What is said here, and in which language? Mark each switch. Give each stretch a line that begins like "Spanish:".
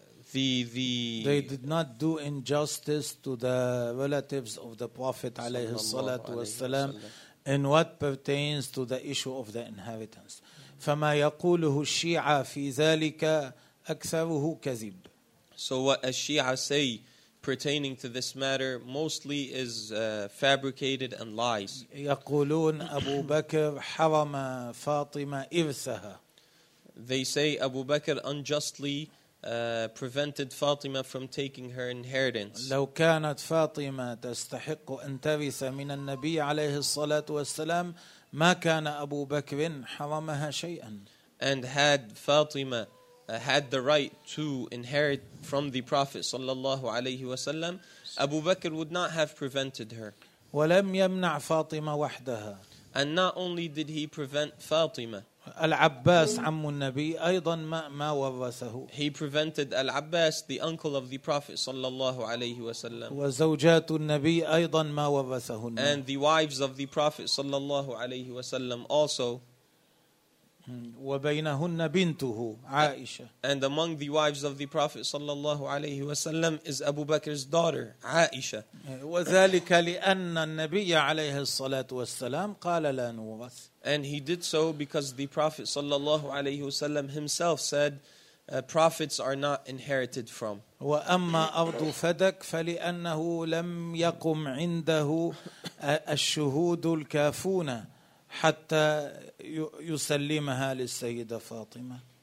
English: They did not do injustice to the relatives of the Prophet
Arabic: عليه الصلاة والسلام
English: in what pertains to the issue of the inheritance.
Arabic: فما يقوله الشيعة في ذلك أكثره كذب.
English: So what a Shia say pertaining to this matter mostly is fabricated and lies.
Arabic: يقولون أبو بكر حرم فاطمة إرثها.
English: They say Abu Bakr unjustly prevented Fatima from taking her inheritance.
Arabic: لو كانت فاطمة تستحق أن ترث من النبي عليه الصلاة والسلام ما كان أبو بكر حرمها شيئا.
English: And had Fatima had the right to inherit from the Prophet
Arabic: صلى الله عليه وسلم,
English: Abu Bakr would not have prevented her.
Arabic: ولم يمنع فاطمة وحدها.
English: And not only did he prevent Fatima.
Arabic: العباس عم النبي أيضا ما ورثه.
English: He prevented Al-Abbas, the uncle of the Prophet
Arabic: صلى الله عليه وسلم. وزوجات النبي أيضا ما ورثهن.
English: And the wives of the Prophet
Arabic: صلى الله عليه وسلم
English: also.
Arabic: وبينهن بنته عائشة.
English: And among the wives of the Prophet
Arabic: صلى الله عليه وسلم
English: is Abu Bakr's daughter عائشة.
Arabic: وذلك لأن النبي عليه الصلاة والسلام قال لا نورث.
English: And he did so because the Prophet
Arabic: sallallahu alayhi wasallam
English: himself said, prophets are not inherited from.
Arabic: وَأَمَّا أَرْضُ فَدَكْ فَلِأَنَّهُ لَمْ يَقُمْ عِنْدَهُ الشُّهُودُ الْكَافُونَ حَتَّى يُسَلِّمَهَا لِلسَّيِّدَةِ فَاطِمَةِ.